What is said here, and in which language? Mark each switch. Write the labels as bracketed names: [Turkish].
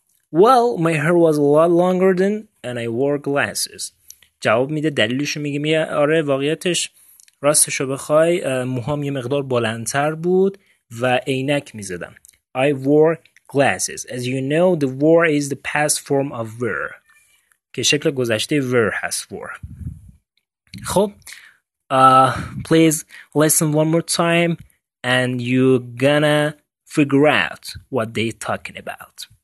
[English] Well, my hair was a lot longer than and I wore glasses. جواب میده، دلیلشو میگه، آره واقعیتش راستشو بخوای موهام یه مقدار بلندتر بود و عینک میزدم. I wore glasses. As you know, the wore is the past form of wear. [Persian] که شکل گذشته wear هست، wore. [English] خب please listen one more time and you're gonna figure out what they're talking about.